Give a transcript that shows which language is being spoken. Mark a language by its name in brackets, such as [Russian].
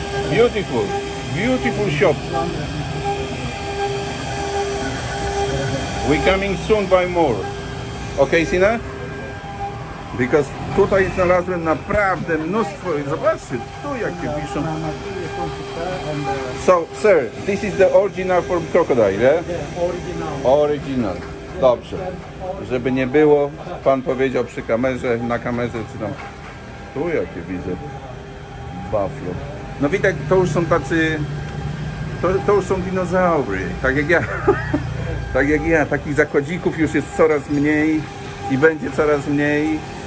[English] Beautiful. Beautiful shop. We coming soon by more. Ok, Sina? Because [Polish] tutaj znalazłem naprawdę mnóstwo. Zobaczcie, tu jakie piszą. [English] So, sir, this is the original from crocodile, eh? Original. [Polish] Dobrze. Żeby nie było, pan powiedział przy kamerze, na kamerze czy tam. Tu jakie widzę. Buffalo. No widać, to już są tacy... To już są dinozaury, tak jak ja. Tak jak ja, takich zakładzików już jest coraz mniej i będzie coraz mniej.